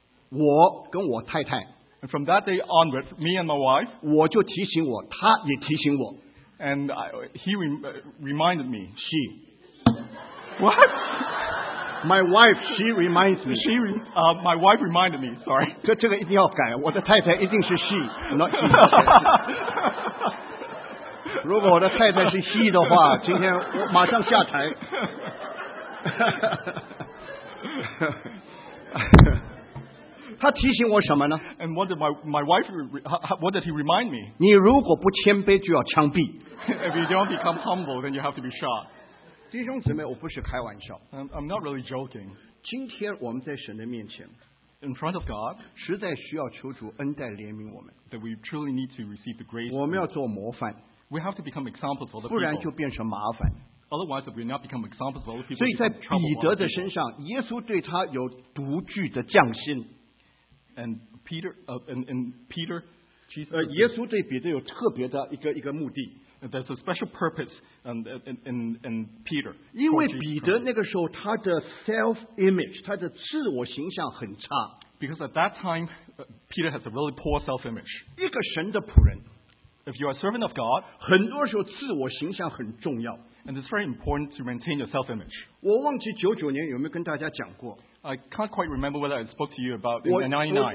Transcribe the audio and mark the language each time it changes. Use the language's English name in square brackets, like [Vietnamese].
[Chinese] 我跟我太太。 [English] And from that day onward, me and my wife, [Chinese] 我就提醒我，她也提醒我。 [English] And he reminded me. She. What? My wife, she reminds me. She, my wife reminded me, sorry. [Chinese] 这个一定要改，我的太太一定是 [English] she, not he. [Chinese] 如果我的太太是 he 的话，今天我马上下台。他提醒我什么呢 [English] ？And what did my wife what did he remind me？ [Chinese] 你如果不谦卑，就要枪毙。 [English] If you don't become humble, then you have to be shot. [Chinese] 弟兄姊妹，我不是开玩笑。 [English] I'm not really joking. [Chinese] 今天我们在神的面前。 [English] In front of God, [Chinese] 实在需要求主恩待怜悯我们。 [English] That we truly need to receive the grace. [Chinese] 我们要做模范。 [English] We have to become examples of other people. [Chinese] 不然就变成麻烦。 [English] Otherwise, if we not become examples of other people, [Chinese] 所以在彼得的身上，耶稣对他有独具的匠心。 [English] And Peter, Peter, Jesus, [Chinese] 耶稣对彼得有特别的一个目的。 [English] There's a special purpose in Peter. [Chinese] 因为彼得那个时候他的 self image, 他的自我形象很差。 [English] Because at that time, Peter has a really poor self image. [Chinese] 一个神的仆人。 [English] if you are a servant of God, [Chinese] 很多时候自我形象很重要。 [English] And it's very important to maintain your self-image. [Chinese] 我忘记99年有没有跟大家讲过。 [English] I can't quite remember whether I spoke to you about in 99.